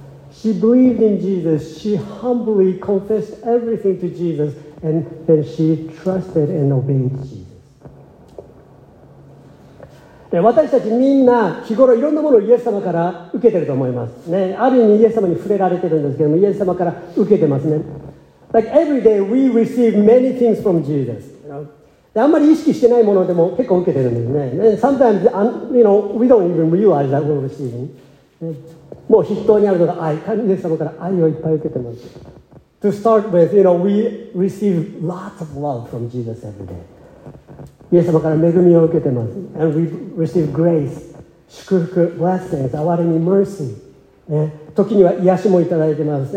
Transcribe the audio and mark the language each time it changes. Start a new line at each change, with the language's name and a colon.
English: She believed in Jesus. She humbly confessed everything to Jesus, and then she trusted and obeyed Jesus.
Japanese: で、私たちみんな日頃いろんなものをイエス様から受けてると思いますね。ある意味イエス様に触れられてるんですけども、イエス様から受けてますね。
English: Like every day we receive many things from Jesus.
Japanese: で、あんまり意識してないものでも結構受けてるんですね。
English: And sometimes, you know, we don't even realize that we're receiving.
Japanese: もう筆頭にあるのが愛、神様から愛をいっぱい受けてます。
English: To start with, you know, we receive lots of love from Jesus every day.
Japanese: イエス様から恵みを受けてます。
English: And we receive grace.
Japanese: 祝福、blessings、憐れみ、mercy、ね、時には癒しもいただいてます。